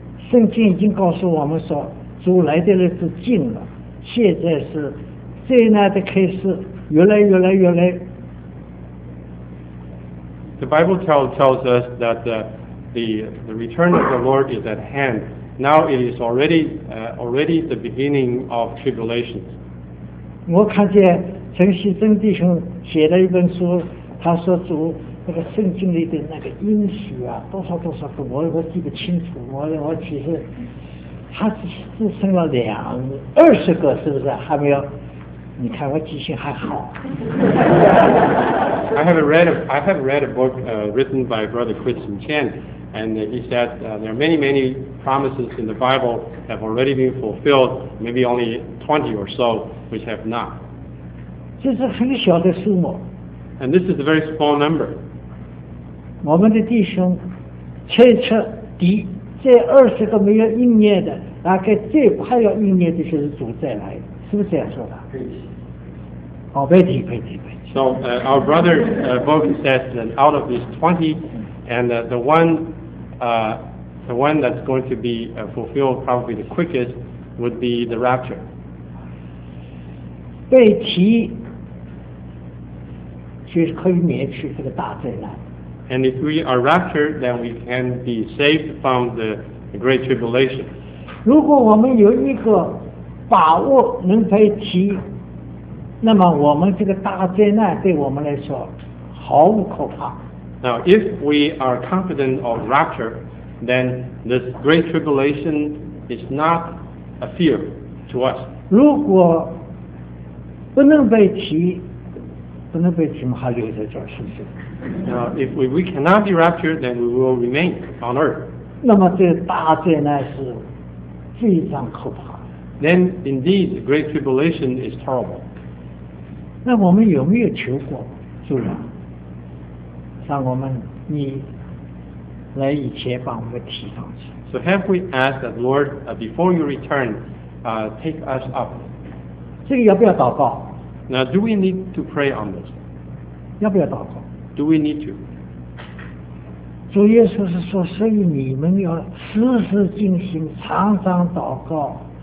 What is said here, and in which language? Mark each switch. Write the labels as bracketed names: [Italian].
[Chinese] 圣经已经告诉我们说，主来的日子近了，现在是灾难的开始，越来越。 [English] The Bible tells us that the return of the Lord is at hand. Now it is already the beginning of tribulations. [Chinese] 我看见陈锡珍弟兄写了一本书，他说主。那个圣经里的那个应许啊，多少个，我记不清楚。我其实他只剩了20个，是不是还没有？你看我记性还好。 [English] I have read a book written by Brother Christian Chen, and he said there are many promises in the Bible have already been fulfilled, maybe only 20 or so which have not. [Chinese] 这是很小的数目。 [English] And this is a very small number. [Chinese] 我们的弟兄切切地这二十个没有应验的，大概最快要应验的就是主再来，是不是这样说的？可以。好，没提，没提，没提。 [English] So our brother Bogan says that out of these 20, and the one that's going to be fulfilled probably the quickest would be the rapture. [Chinese] 被提，就是可以免去这个大灾难。 [English] And if we are raptured, then we can be saved from the great tribulation. [Chinese] 如果我们有一个把握能被提，那么我们这个大灾难对我们来说毫无可怕。 [English] Now, if we are confident of rapture, then this great tribulation is not a fear to us. [Chinese] 如果不能被提，不能被提，我们还留在这儿，是不是？ [English] Now, if we cannot be raptured, then we will remain on earth. [Chinese] 那么这大灾难是非常可怕。 [English] Then indeed, the great tribulation is terrible. [Chinese] 那我们有没有求过主啊？让我们你来以前把我们提上去。 [English] So have we asked that Lord, before you return, take us up? [Chinese] 这个要不要祷告？ [English] Now, do we need to pray on this? [Chinese] 要不要祷告？ [English] Do we need to? [Chinese] 主耶稣是说，所以你们要时时进行，常常祷告。